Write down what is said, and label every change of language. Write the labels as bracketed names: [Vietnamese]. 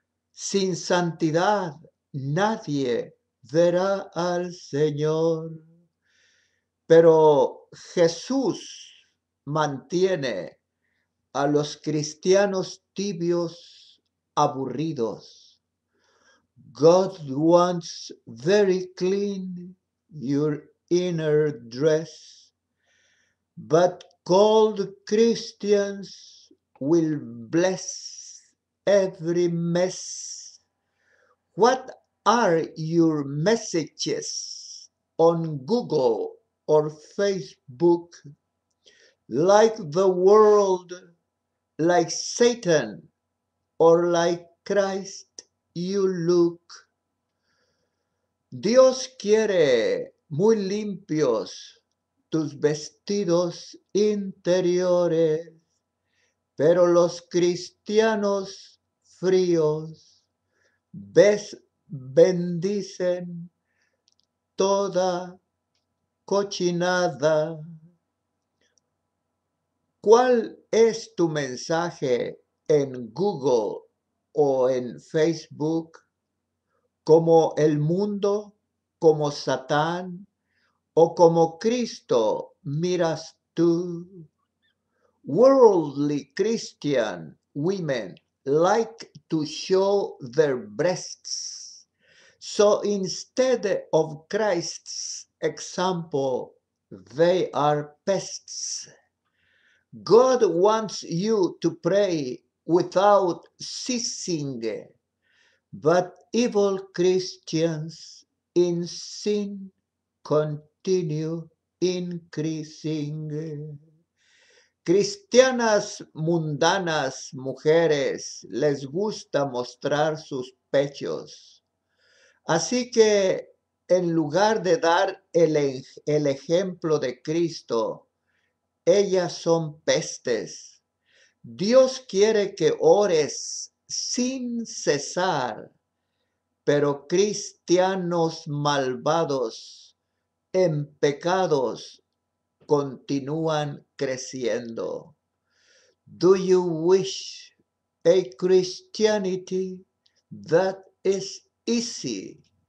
[Spanish] Sin santidad nadie verá al Señor. Pero Jesús mantiene a los cristianos tibios, aburridos. [English] God wants very clean your inner dress, but cold Christians will bless every mess. What are your messages on Google or Facebook? Like the world, like Satan, or like Christ you look? [Spanish] Dios quiere muy limpios tus vestidos interiores, pero los cristianos fríos bendicen toda cochinada. ¿Cuál es tu mensaje en Google o en Facebook? ¿Como el mundo, como Satán o como Cristo miras tú? [English] Worldly Christian women like to show their breasts. So instead of Christ's example, they are pests. God wants you to pray without ceasing, but evil Christians in sin continue increasing. [Spanish] Cristianas mundanas mujeres les gusta mostrar sus pechos. Así que en lugar de dar el ejemplo de Cristo, Ellas son pestes. Dios quiere que ores sin cesar, pero cristianos malvados, en pecados, continúan creciendo. [English] Do you wish a Christianity that is easy?